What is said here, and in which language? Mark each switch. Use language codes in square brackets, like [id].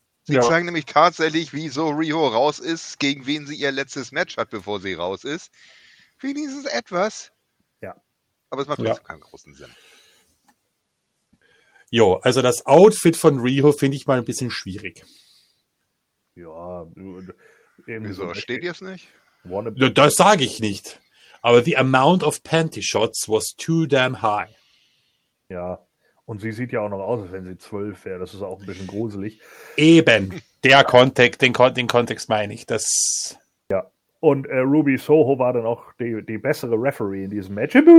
[de] Sie zeigen nämlich tatsächlich, wieso Riho raus ist, gegen wen sie ihr letztes Match hat, bevor sie raus ist. Wenigstens etwas. Ja. Aber es macht trotzdem keinen großen Sinn. Jo, also das Outfit von Riho finde ich mal ein bisschen schwierig. Ja. Wieso, steht ihr es nicht? Das sage ich nicht. Aber [en] the amount of panty shots was too damn high. [de] Ja, und sie sieht ja auch noch aus, als wenn sie 12 wäre. Das ist auch ein bisschen gruselig. Eben, der Kontext, den Kontext meine ich. Das. Ja, und Ruby Soho war dann auch die bessere Referee in diesem Match.